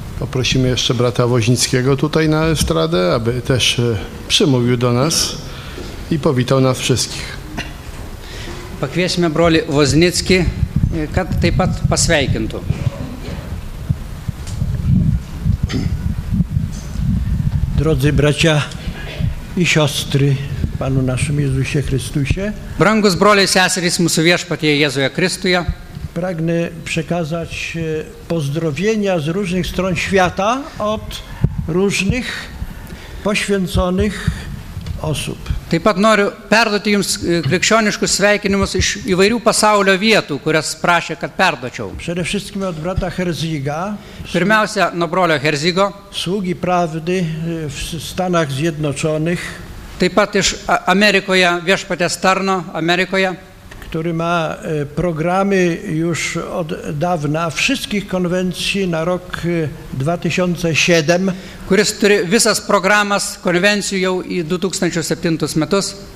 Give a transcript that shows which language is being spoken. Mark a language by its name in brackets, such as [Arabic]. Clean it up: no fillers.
[Polish] Prosimy jeszcze brata Woźnickiego tutaj na estradę, aby też przemówił do nas i powitał nas wszystkich. [Lithuanian] Pakwieśmy broli Woźnicki, kad taip pat pasveikintų. [Polish] Drodzy bracia i siostry, Panu naszym Jezusie Chrystusie. [Lithuanian] Brangus broli seserys mūsų viešpatie Jėzuje Kristuje. [Polish] Pragnę przekazać pozdrowienia z różnych stron świata od różnych poświęconych osób. [Lithuanian] Taip pat noriu perduoti jums krikščioniškus sveikinimus iš įvairių pasaulio vietų, kurias prašė, kad perduočiau. [Polish] Przede wszystkim od brata Herziga. [Lithuanian] Pirmiausia, nuo brolio Herzigo. [Polish] Sługi prawdy w Stanach Zjednoczonych. [Lithuanian] Taip pat iš Amerikoje, viešpaties tarno Amerikoje. [Polish] Który ma programy już od dawna wszystkich konwencji na rok 2007. Który [Lithuanian] turi visas programas konvencijų jau į 2007 metus.